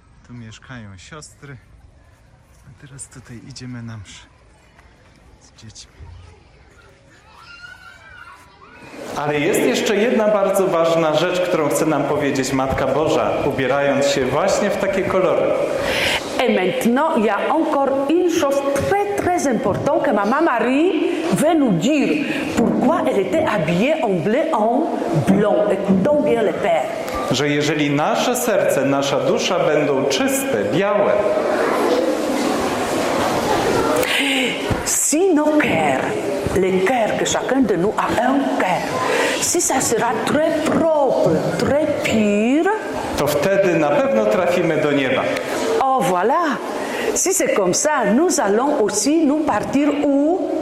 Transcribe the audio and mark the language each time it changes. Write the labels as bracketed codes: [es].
[pl] Mieszkają siostry, a teraz tutaj idziemy na mszę. z dziećmi. Ale jest jeszcze jedna bardzo ważna rzecz, którą chce nam powiedzieć Matka Boża, ubierając się właśnie w takie kolory. [fr] Et maintenant, il y a encore une chose très très importante que ma maman Marie veut nous dire. Pourquoi elle était habillée en bleu en blanc? Écoutons bien le Père. [pl] Że jeżeli nasze serce, nasza dusza będą czyste, białe. [fr] Si nos cœurs, le cœur que chacun de nous a un cœur, si ça sera très propre, très pur, [pl] to wtedy na pewno trafimy do nieba. [fr] Oh voilà, si c'est comme ça, nous allons aussi nous partir où?